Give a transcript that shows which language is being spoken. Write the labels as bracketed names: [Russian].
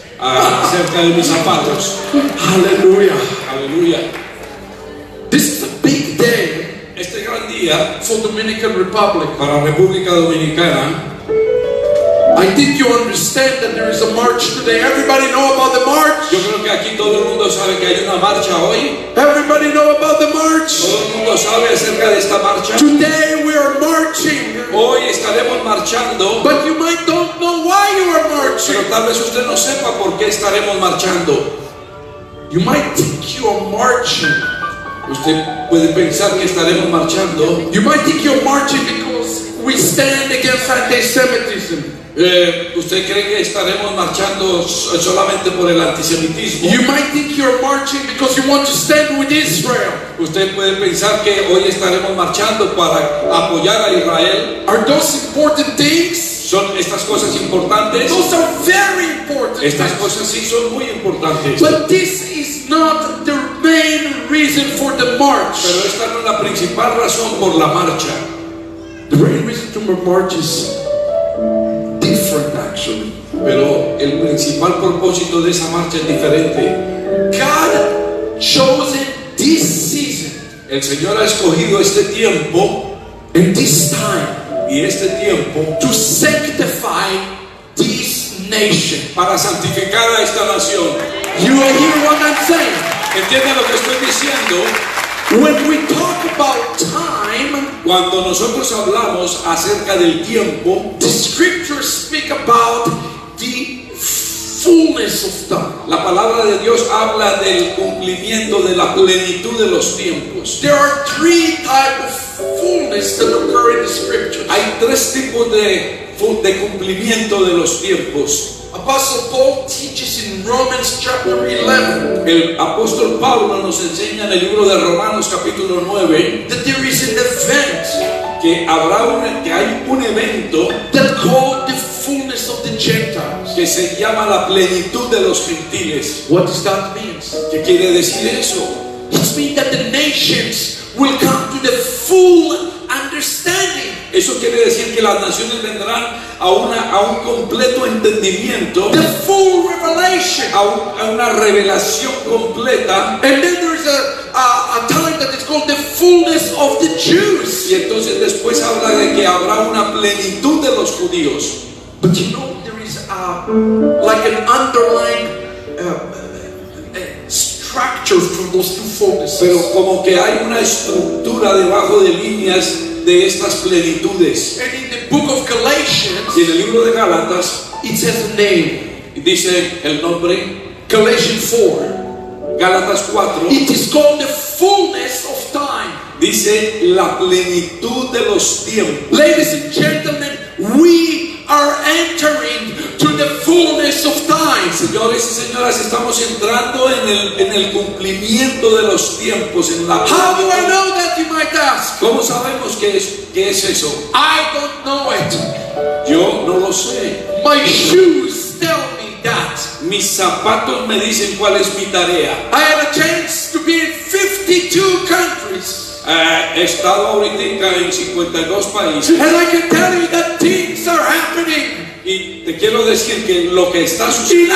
[Spanish] Acerca de mis zapatos. [English] Hallelujah. Hallelujah. This is a big day. [Spanish] Este gran día. [English] For Dominican Republic. [Spanish] Para República Dominicana. [English] I think you understand that there is a march today. Everybody know about the march? [Spanish] Yo creo que aquí todo el mundo sabe que hay una marcha hoy. [English] Everybody know about the march? [Spanish] Todo el mundo sabe acerca de esta marcha. [English] Today we are marching. [Spanish] Hoy estaremos marchando. [English] But you might don't know why you are marching. [Spanish] Pero tal vez usted no sepa por qué estaremos marchando. [English] You might think you are marching. [Spanish] Usted puede pensar que estaremos marchando. [English] You might think you're marching because we stand against anti-Semitism. [Spanish] Usted cree que estaremos marchando solamente por el antisemitismo. [English] You might think you're marching because you want to stand with Israel. [Spanish] Usted puede pensar que hoy estaremos marchando para apoyar a Israel. [English] Are those important things? [Spanish] Son estas cosas importantes. [English] Those are very important. [Spanish] Estas cosas sí son muy importantes. [English] But this is not the main reason for the march. [Spanish] Pero esta no es la principal razón por la marcha. [English] The main reason to march is different, actually. [Spanish] Pero el principal propósito de esa marcha es diferente. [English] God chose this season. [Spanish] El Señor ha escogido este tiempo. [English] And this time. [Spanish] Y este tiempo. [English] To sanctify this nation. [Spanish] Para santificar a esta nación. [English] You are hearing what I'm saying. [Spanish] ¿Entiende lo que estoy diciendo? [English] When we talk about time, [Spanish] cuando nosotros hablamos acerca del tiempo, [English] the scriptures speak about the fullness of time. [Spanish] La palabra de Dios habla del cumplimiento de la plenitud de los tiempos. [English] There are three types of fullness that occur in the scriptures. [Spanish] Hay tres tipos de cumplimiento de los tiempos. [English] Apostle Paul teaches in Romans chapter 11. [Spanish] El apóstol Pablo nos enseña en el libro de Romanos capítulo 9 [English] that there is an event [Spanish] que hay un evento [English] that called the fullness of the Gentiles, [Spanish] que se llama la plenitud de los gentiles. [English] What does that mean? [Spanish] ¿Qué quiere decir eso? [English] It means that the nations will come to the full understanding. [Spanish] Eso quiere decir que las naciones vendrán a un completo entendimiento, [English] the full revelation, [Spanish] a una revelación completa. [English] And then there is a time that is called the fullness of the Jews. [Spanish] Y entonces después habla de que habrá una plenitud de los judíos. [English] But you know there is an underlying structure from those two fullnesses. [Spanish] Pero como que hay una estructura debajo de líneas de estas plenitudes. [English] And in the book of Galatians, [Spanish] y en el libro de Galatas, [English] it says the name. [Spanish] Dice el nombre. [English] Galatians 4. [Spanish] Galatas 4. [English] It is called the fullness of time. [Spanish] Dice la plenitud de los tiempos. [English] Ladies and gentlemen, we are entering to the fullness of time. [Spanish] Señores y señoras, estamos entrando en el cumplimiento de los tiempos, en la plenitud. [English] How do I know that, you might ask? [Spanish] ¿Cómo sabemos qué es eso? [English] I don't know it. [Spanish] Yo no lo sé. [English] My shoes tell me that. [Spanish] Mis zapatos me dicen cuál es mi tarea. [English] I have a chance to be in 52 countries. [Spanish] He estado ahorita en 52 países. [English] And I can tell you that things are happening. [Spanish] Y te quiero decir que lo que está sucediendo